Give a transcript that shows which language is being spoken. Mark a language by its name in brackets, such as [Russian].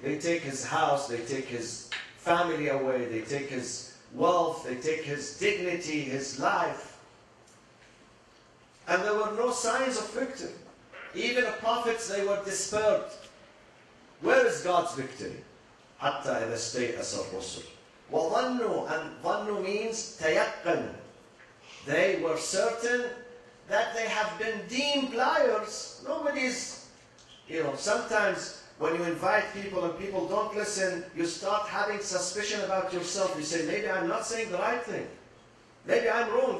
[English] They take his house, they take his family away, they take his wealth, they take his dignity, his life. And there were no signs of victory. Even the prophets, they were dispersed. Where is God's victory? [Arabic] حتى إذا استيأس الرسل. وظنوا, and ظنوا means تيقن. [English] They were certain that they have been deemed liars. Nobody's, you know, sometimes when you invite people and people don't listen, you start having suspicion about yourself. You say, maybe I'm not saying the right thing. Maybe I'm wrong.